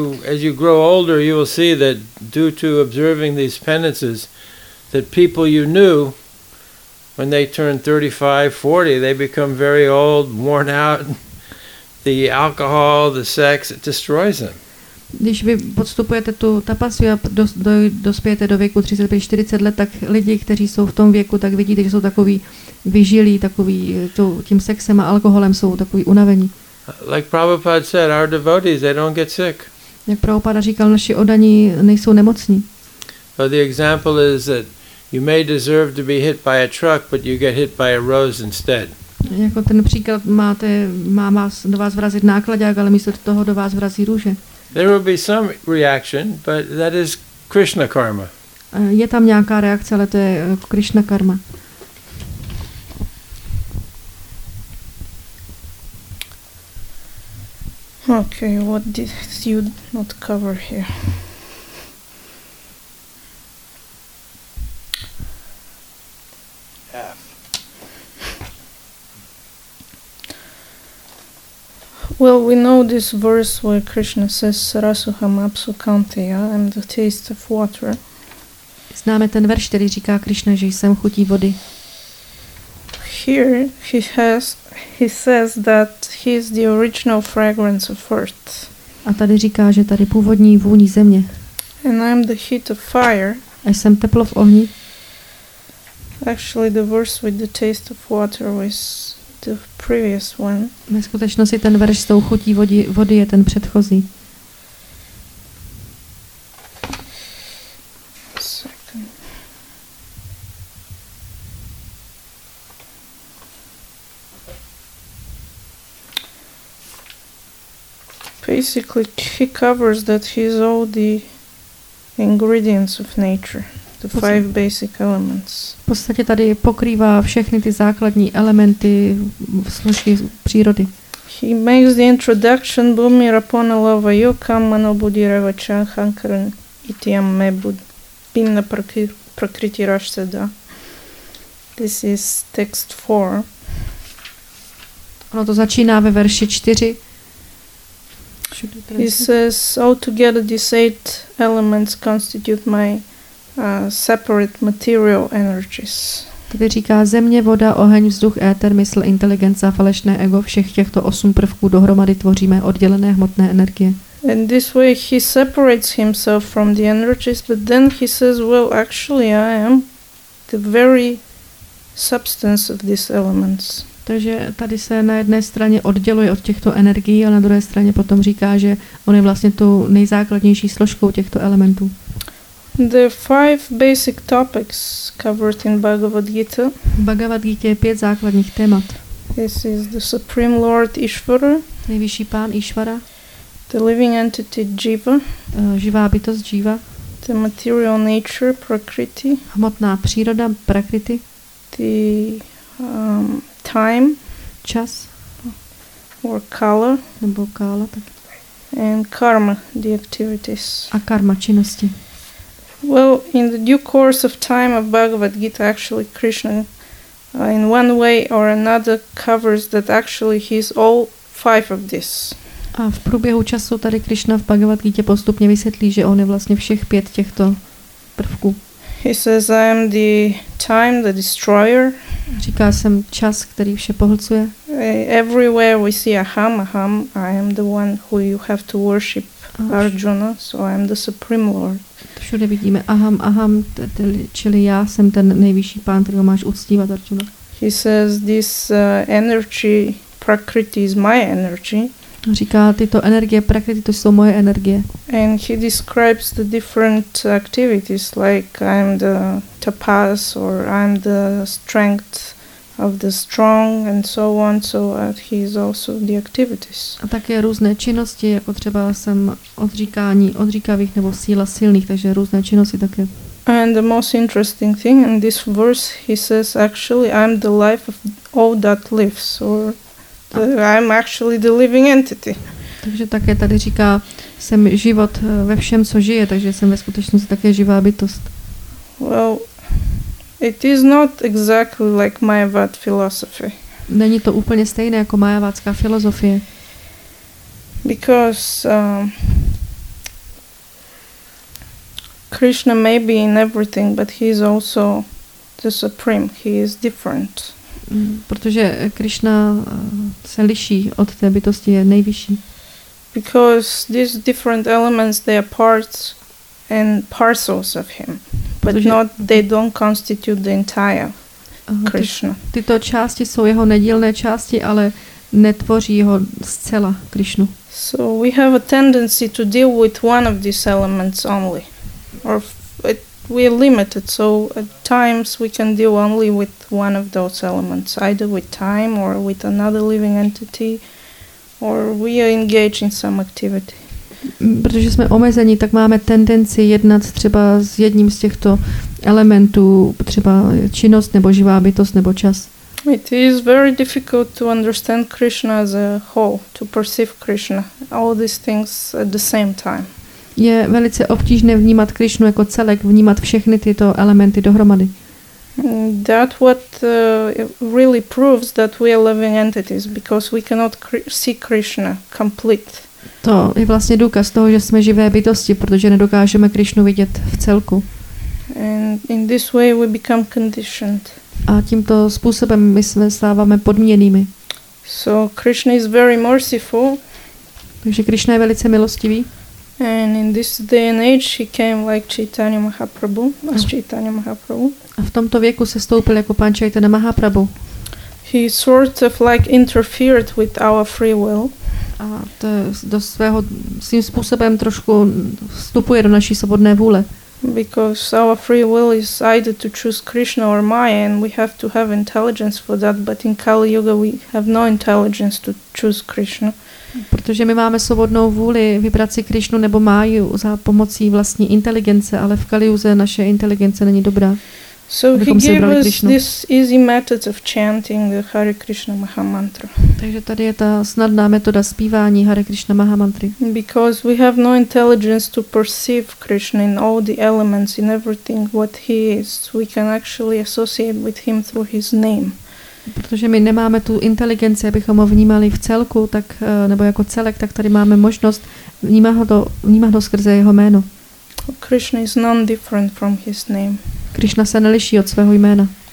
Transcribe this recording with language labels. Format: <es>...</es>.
<en>As you grow older, you will see that due to observing these penances, that people you knew, when they turn 35, 40, they become very old, worn out. The alcohol, the sex, it destroys them.</en> <cs>Když vy podstupujete tu tapasu a dospějete do věku 35, 40 let, tak lidi, kteří jsou v tom věku, tak vidíte, že jsou takový vyžilí, takový tím sexem a alkoholem jsou takový unavení.</cs> <en>Like Prabhupada said, our devotees, they don't get sick.</en> <cs>Jak Prabhupada říkal, naši oddaní nejsou nemocní.</cs> <en>But the example is that you may deserve to be hit by a truck, but you get hit by a rose instead.</en> <cs>Jako ten příklad máte, má vás do vás vrazit nákladák, ale místo toho do vás vrazí růže.</cs> <en>There will be some reaction, but that is Krishna karma.</en> <cs>Je tam nějaká reakce, ale to je Krishna karma.</cs> <en>Okay, what did you not cover here? F. Well, we know this verse where Krishna says</en> <sa>Sarasuham apsu kanteya,</sa> <en>I'm the taste of water.</en> <cs>Známe ten verš, který říká Krishna, že jsem chutí vody.</cs> <en>Here he says that he is the original fragrance of earth.</en> <cs>A tady říká, že tady původní vůní země.</cs> <en>And I'm the heat of fire.</en> <cs>A jsem teplo v ohni.</cs> <en>Actually, the verse with the taste of water was the previous one.</en> <cs>Ve skutečnosti ten verš s tou chutí vody je ten předchozí.</cs> <en>Basically, he covers that he is all the ingredients of nature, the five basic elements.</en> <cs>V podstatě tady pokrývá všechny ty základní elementy složky přírody.</cs> <en>He makes the introduction,</en> <sa>Bhumi Rapona Lava Yukam Mano Budi Rava Chankaran Itiam Me Bud Pinna Prakriti Rashtada.</sa> <en>This is text 4.</en> <cs>Ono to začíná ve verši 4.</cs> <en>He says, altogether these eight elements constitute my separate material energies.</en> <cs>Tady říká země, voda, oheň, vzduch, éter, mysl, inteligence a falešné ego, všech těchto osm prvků dohromady tvoříme oddělené hmotné energie.</cs> <en>And this way he separates himself from the energies, but then he says, well, actually I am the very substance of these elements.</en> <cs>Takže tady se na jedné straně odděluje od těchto energií a na druhé straně potom říká, že on je vlastně tu nejzákladnější složkou těchto elementů.</cs> <en>The five basic topics covered in Bhagavad Gita.</en> <cs>Bhagavad Gita je pět základních témat.</cs> <en>This is the Supreme Lord Ishvara.</en> <cs>Nejvyšší pán Ishvara.</cs> <en>The living entity Jiva.</en> <cs>Živá bytost Jiva.</cs> <en>The material nature Prakriti.</en> <cs>Hmotná příroda Prakriti.</cs> <en>The time,</en> <cs>čas,</cs> <en>or color,</en> <cs>nebo kála, tak.</cs> <en>And karma, the activities.</en> <cs>A karma, činnosti.</cs> <en>Well, in the due course of time of Bhagavad Gita, actually Krishna, in one way or another, covers that actually he is all five of this.</en> <cs>A v průběhu času tady Krishna v Bhagavad Gita postupně vysvětlí, že on je vlastně všech pět těchto prvků.</cs> <en>He says, I am the time, the destroyer.</en> <cs>Říká, jsem čas, který vše pohlcuje.</cs> <en>Everywhere we see aham, aham, I am the one who you have to worship, Arjuna, so I am the Supreme Lord.</en> <cs>Všude vidíme aham, aham, čili já jsem ten nejvyšší pán, který máš uctívat, Arjuna.</cs> <en>He says, this energy, Prakriti, is my energy.</en> <cs>Říká, tyto energie, Prakriti, to jsou moje energie.</cs> <en>And he describes the different activities, like I'm the tapas, or I'm the strength of the strong, and so on, so he is also the activities.</en> <cs>A také různé činnosti, jako třeba jsem odříkání odříkavých, nebo síla silných, takže různé činnosti také.</cs> <en>And the most interesting thing in this verse, he says, actually, I'm the life of all that lives, or I'm actually the living entity.</en> <cs>Takže také tady říká, jsem život ve všem, co žije, takže jsem ve skutečnosti také živá bytost.</cs> <en>Well, it is not exactly like Mayavad philosophy.</en> <cs>Není to úplně stejné jako mayavádská filozofie.</cs> <en>Because Krishna may be in everything, but he is also the supreme. He is different.</en> <cs>Protože Krishna se liší od té bytosti, je nejvyšší.</cs> <en>Because these different elements, they are parts and parcels of him, but not they don't constitute the entire Krishna.</en> <cs>Tyto části jsou jeho nedílné části, ale netvoří ho zcela Krishnu.</cs> <en>So we have a tendency to deal with one of these elements only. We are limited, so at times we can deal only with one of those elements, either with time or with another living entity, or we are engaged in some activity.</en> <cs>Protože jsme omezení, tak máme tendenci jednat třeba s jedním z těchto elementů, třeba činnost nebo živá bytost nebo čas.</cs> <en>It is very difficult to understand Krishna as a whole, to perceive Krishna, all these things at the same time.</en> <cs>Je velice obtížné vnímat Krishnu jako celek, vnímat všechny tyto elementy dohromady.</cs> <en>That what really proves that we are living entities, because we cannot see Krishna complete.</en> <cs>To je vlastně důkaz toho, že jsme živé bytosti, protože nedokážeme Krishnu vidět v celku.</cs> <en>And in this way we become conditioned.</en> <cs>A tímto způsobem my se stáváme podmíněnými.</cs> <en>So Krishna is very merciful.</en> <cs>Takže Krishna je velice milostivý.</cs> <en>And in this day and age he came like Chaitanya Mahaprabhu, as Chaitanya Mahaprabhu.</en> <cs>A v tomto věku se stoupil jako pan Chaitanya Mahaprabhu.</cs> <en>He sort of like interfered with our free will.</en> <cs>A to do svého svým způsobem trošku vstupuje do naší svobodné vůle.</cs> <en>Because our free will is either to choose Krishna or Maya, and we have to have intelligence for that, but in Kali Yuga we have no intelligence to choose Krishna.</en> <cs>Protože my máme svobodnou vůli vybrat si Krishnu nebo Máju za pomocí vlastní inteligence, ale v Kaliuze naše inteligence není dobrá.</cs> <en>So he gave us this easy method of chanting the Hare Krishna Maha Mantra.</en> <cs>Takže tady je ta snadná metoda zpívání Hare Krishna Maha Mantry.</cs> <en>Because we have no intelligence to perceive Krishna in all the elements, in everything what he is, we can actually associate with him through his name.</en> <cs>Protože my nemáme tu inteligenci, abychom ho vnímali v celku, tak, nebo jako celek, tak tady máme možnost vnímat ho skrze jeho jméno.</cs> <en>Krishna is non-different from his name.</en> <cs>Krishna se neliší od svého jména.</cs>